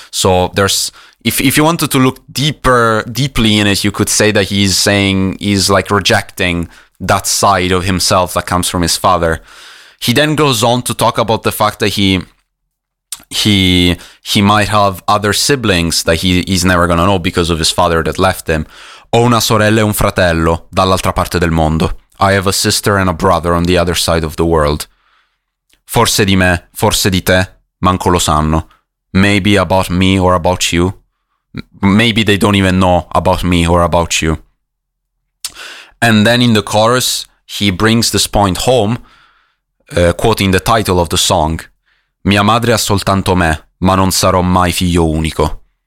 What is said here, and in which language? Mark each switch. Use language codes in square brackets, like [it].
[en] So there's, if you wanted to look deeply in it, you could say that he's saying he's like rejecting that side of himself that comes from his father. He then goes on to talk about the fact that he he might have other siblings that he's never gonna know because of his father that left him. [it] Ho una sorella e un fratello dall'altra parte del mondo. [en] I have a sister and a brother on the other side of the world. [it] Forse di me, forse di te, manco lo sanno. [en] Maybe about me or about you. Maybe they don't even know about me or about you. And then in the chorus, he brings this point home, quoting the title of the song. [it] Mia madre ha soltanto me, ma non sarò mai figlio unico.